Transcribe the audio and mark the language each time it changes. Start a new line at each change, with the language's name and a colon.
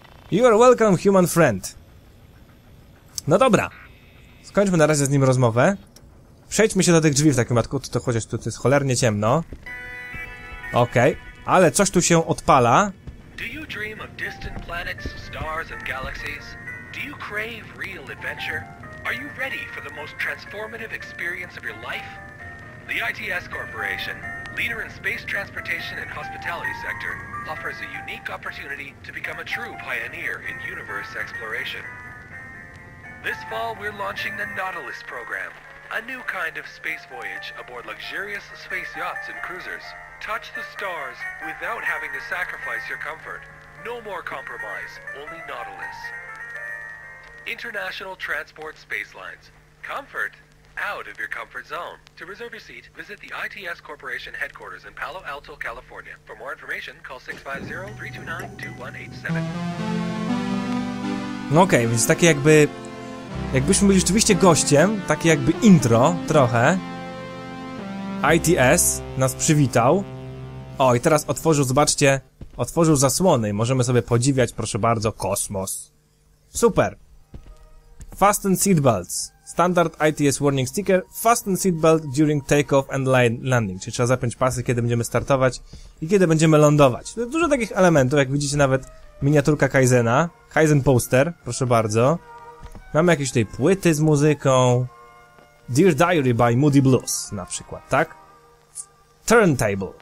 English: You are welcome, human friend.
Polish: No dobra. Skończmy na razie z nim rozmowę. Przejdźmy się do tych drzwi w takim wypadku, to chociaż tu jest cholernie ciemno. Okej. Ale coś tu się odpala.
English: Do you dream of distant planets, stars and galaxies? Do you crave real adventure? Are you ready for the most transformative experience of your life? The ITS Corporation, leader in space transportation and hospitality sector, offers a unique opportunity to become a true pioneer in universe exploration. This fall, we're launching the Nautilus program, a new kind of space voyage aboard luxurious space yachts and cruisers. Touch the stars without having to sacrifice your comfort. No more compromise, only Nautilus. International Transport Space Lines. Comfort out of your comfort zone. To reserve your seat, visit the ITS Corporation headquarters in Palo Alto, California. For more information, call 650-329-2187.
Polish: No okej, więc takie jakby... Jakbyśmy byli rzeczywiście gościem, takie jakby intro, trochę. ITS nas przywitał. O, i teraz otworzył, zobaczcie, otworzył zasłony i możemy sobie podziwiać, proszę bardzo, kosmos.
English: Super. Fasten seatbelts. Standard ITS warning sticker. Fasten seatbelt during takeoff and landing.
Polish: Czyli trzeba zapiąć pasy, kiedy będziemy startować i kiedy będziemy lądować. Dużo takich elementów, jak widzicie, nawet miniaturka Kaizena. Kaizen poster, proszę bardzo. Mamy jakieś tutaj płyty z muzyką. Dear Diary by Moody Blues, na przykład, tak? Turntable.